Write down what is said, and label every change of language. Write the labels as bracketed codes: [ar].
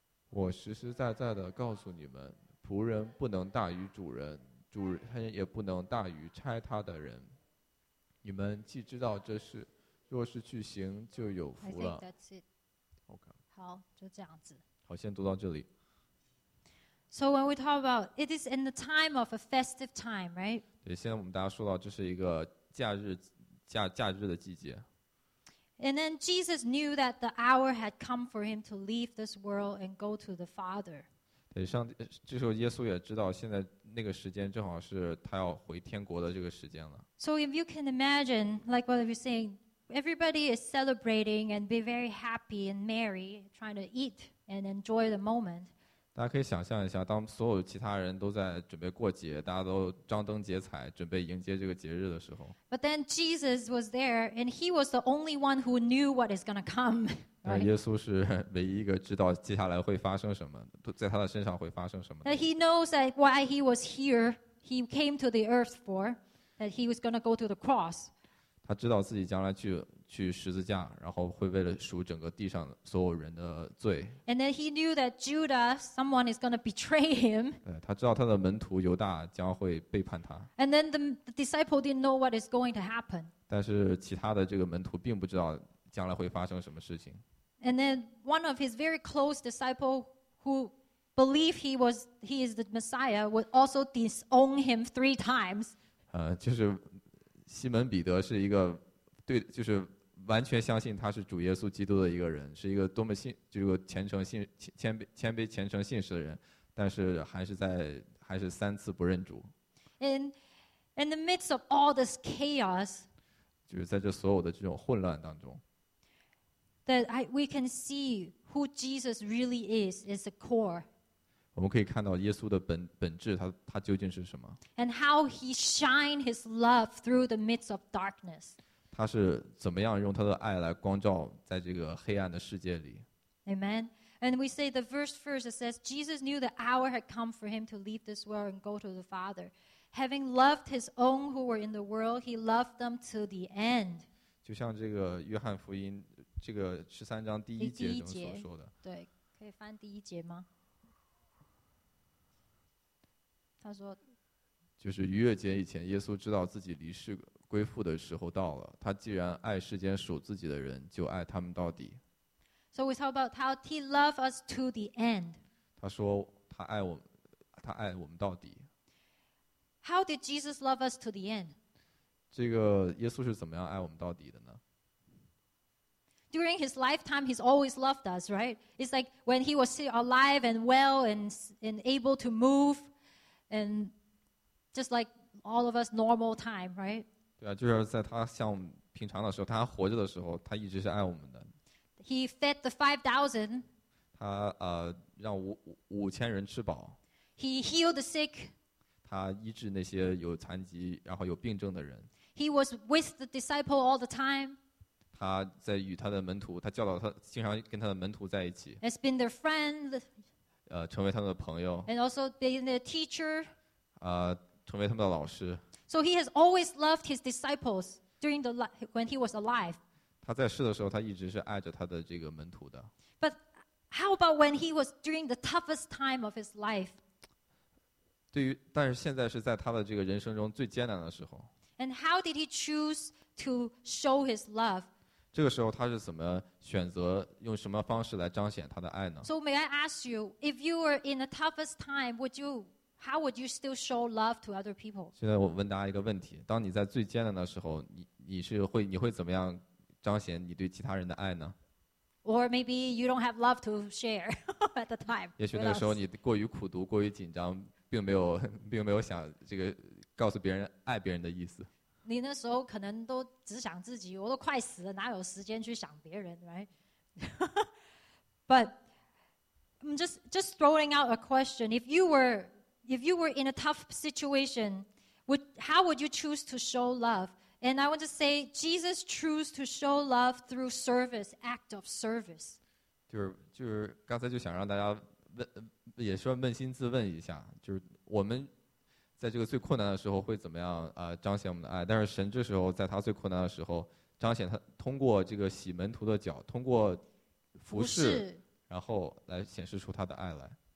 [zh] 我实实在在地告诉你们，仆人不能大于主人，主人也不能大于差他的人。你们既知道这事，若是去行，就有福了。 [en] I think that's it. Okay. [zh] 好，就这样子。好，先读到这里。 [en] So when we talk about it is in the time of a festive time, right? [zh] 对，现在我们大家说到这是一个假日。假日的季节。 [en] And then Jesus knew that the hour had come for him to leave this world and go to the Father. [zh] 对，上帝，这时候耶稣也知道现在那个时间正好是他要回天国的这个时间了。 [en] So if you can imagine, like what you're saying, everybody is celebrating and be very happy and merry, trying to eat and enjoy the moment. [zh] 大家可以想象一下，当所有其他人都在准备过节，大家都张灯结彩，准备迎接这个节日的时候。 [en] But then Jesus was there, and he was the only one who knew what is going to come. [zh] 但耶稣是唯一一个知道接下来会发生什么，在他的身上会发生什么。 [en] That he knows that why he was here, he came to the earth for, that he was going to go to the cross. [zh] 他知道自己将来去十字架，然后会为了赎整个地上所有人的罪。 [en] And then he knew that Judah, someone is going to betray him. [zh] 他知道他的门徒犹大将会背叛他。 [en] And then the disciple didn't know what is going to happen. [zh] 但是其他的这个门徒并不知道将来会发生什么事情。 [en] And then one of his very close disciple who believed he is the Messiah would also disown him three times. [zh] 就是西门彼得是一个对，就是完全相信他是主耶稣基督的一个人，是一个多么信，就是个虔诚信谦卑虔诚信实的人，但是还是三次不认主。 [en] In the midst of all this chaos, [zh] 就是在这所有的这种混乱当中 [en] ，that we can see who Jesus really is the core. [zh] 我们可以看到耶稣的本质，他究竟是什么 [en] ？And how he shine his love through the midst of darkness. [zh] 他是怎么样用他的爱来光照在这个黑暗的世界里。 [en] Amen. And we say the verse first, it says, Jesus knew the hour had come for him to leave this world and go to the Father. Having loved his own who were in the world, he loved them to the end. [zh] 就像这个约翰福音这个十三章第一节中所说的。对，可以翻第一节吗？他说，就是逾越节以前，耶稣知道自己离世归父的时候到了，他既然爱世间属自己的人，就爱他们到底。 [en] So we talk about how he loved us to the end. [zh] 他说他爱我们到底。 [en] How did Jesus love us to the end? [zh] 这个耶稣是怎么样爱我们到底的呢？ [en] During his lifetime, he's always loved us, right? It's like when he was still alive and well and able to move and just like all of us normal time, right? [zh] 对啊，就是在他像平常的时候，他活着的时候，他一直是爱我们的。 [en] He fed the 5,000. [zh] 他让五千人吃饱。 [en] He healed the sick. [zh] 他他医治那些有残疾然后有病症的人。 [en] He was with the disciple all the time. [zh] 他在与他的门徒，他教导他，经常跟他的门徒在一起。 [en] Has been their friend. [zh] 成为他们的朋友。 [en] And also been their teacher. [zh] 成为他们的老师。 [en] So he has always loved his disciples during the when he was alive. [zh] 他在世的时候，他一直是爱着他的这个门徒的。 [en] How about when he was during the toughest time of his life? [zh] 对于，但是现在是在他的这个人生中最艰难的时候。 [en] And how did he choose to show his love? [zh] 这个时候他是怎么选择用什么方式来彰显他的爱呢？ [en] So may I ask you, if you were in the toughest time, how would you still show love to other people? [zh] 现在我问大家一个问题，当你在最艰难的时候，你会怎么样彰显你对其他人的爱呢？ [en] Or maybe you don't have love to share at the time. [zh] 也许那个时候你过于苦读，过于紧张，并没有想这个告诉别人爱别人的意思。你那时候可能都只想自己，我都快死了，哪有时间去想别人 ， [en] right？But I'm just throwing out a question. If you were in a tough situation, how would you choose to show love? And I want to say, Jesus chose to show love through service, act of service. [zh] 就是刚才就想让大家问，也说扪心自问一下，就是我们在这个最困难的时候会怎么样彰显我们的爱？但是神这时候在他最困难的时候彰显他，通过这个洗门徒的脚，通过服侍，然后来显示出他的爱来。